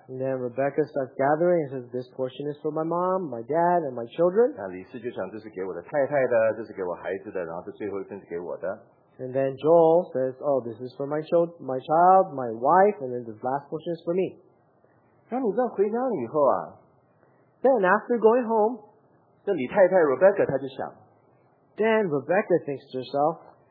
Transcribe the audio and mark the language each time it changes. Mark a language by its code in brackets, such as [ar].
[en] Then Rebecca starts gathering and says, "This portion is for my mom, my dad, and my children." [zh] 那李四就想，这是给我的太太的，这是给我孩子的，然后这最后一份是给我的。 [en] And then Joel says, "Oh, this is for my child, my wife, and then this last portion is for me." [zh] 那你知道回家了以后啊， [en] then after going home, [zh] 这李太太 Rebecca 她就想。 [en] Then Rebecca thinks to herself,